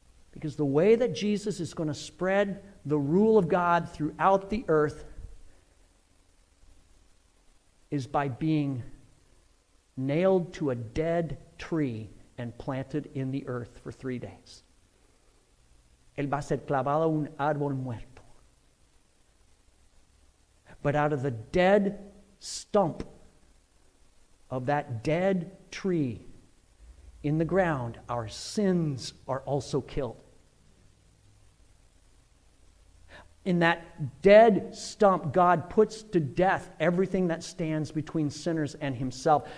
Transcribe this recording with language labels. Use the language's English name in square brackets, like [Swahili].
[English] Because the way that Jesus is going to spread the rule of God throughout the earth is by being nailed to a dead tree and planted in the earth for 3 days. [Spanish] Él va a ser clavado un árbol muerto. [English] But out of the dead stump of that dead tree in the ground, our sins are also killed. In that dead stump, God puts to death everything that stands between sinners and himself.